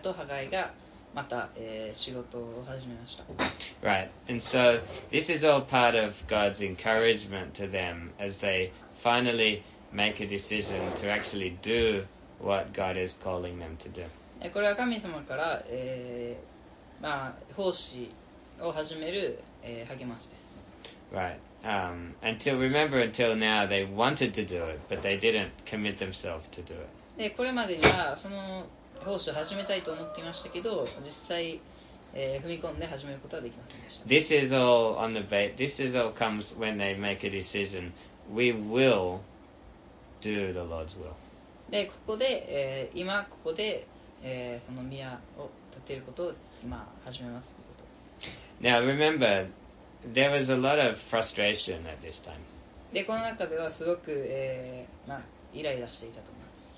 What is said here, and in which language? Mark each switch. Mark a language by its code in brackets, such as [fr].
[ja] とハガイが、また、仕事を始めました。 [en] Right, and so this is all part of God's encouragement to them as they finally make a decision to actually do what God is calling them to do. [ja] これは神様から、まあ、奉仕を始める、励ましです。 [en] Right, until, remember until now they wanted to do it, but they didn't commit themselves to do it. [ja] で、これまでにはその奉仕を始めたいと思っていましたけど、実際、踏み込んで始めることはできませんでした。 [en] This is all on the bait. This is all comes when they make a decision. We will do the Lord's will. [ja] で、ここで、今ここで、その宮を建てることを、まあ、始めますということ。 [en] Now remember, there was a lot of frustration at this time. [ja] で、この中ではすごく、まあ、イライラしていたと思います。